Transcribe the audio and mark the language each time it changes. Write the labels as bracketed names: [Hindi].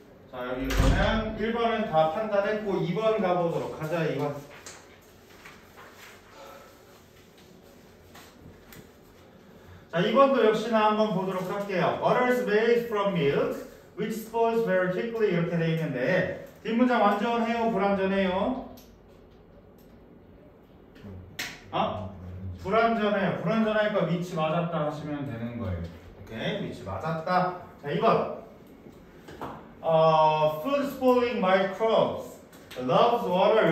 [Korean] 자, 여기 그냥 1번은 다 판단했고 2번 가보도록 하자. 2번. 자, 이번도 역시나 한번 보도록 할게요. [English] Water is made from milk, which spoils very quickly. [Korean] 이렇게 되어 있는데, 뒷문장 완전해요, 불완전해요? 아? 불완전해요. 불완전하니까 위치 맞았다 하시면 되는 거예요. 오케이, 위치 맞았다. 자, 2번. [English] Food spoiling microbes loves water.